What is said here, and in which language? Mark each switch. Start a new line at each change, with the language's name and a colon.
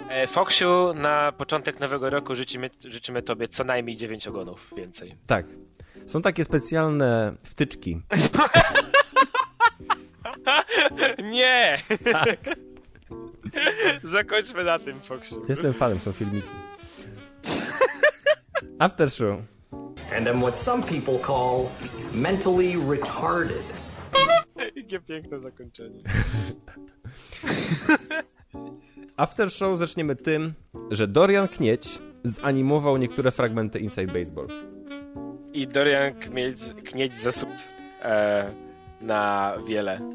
Polish: Foksiu, na początek nowego roku życzymy tobie co najmniej 9 ogonów więcej. Tak. Są takie specjalne wtyczki. Nie! Tak. Zakończmy na tym, Foksiu. Jestem fanem, są filmiki. Aftershow.
English: And I'm what some people call mentally retarded.
Polish: Jakie piękne zakończenie. After show zaczniemy tym, że Dorian Knieć zanimował niektóre fragmenty Inside Baseball. I Dorian Knieć zasłużył na wiele.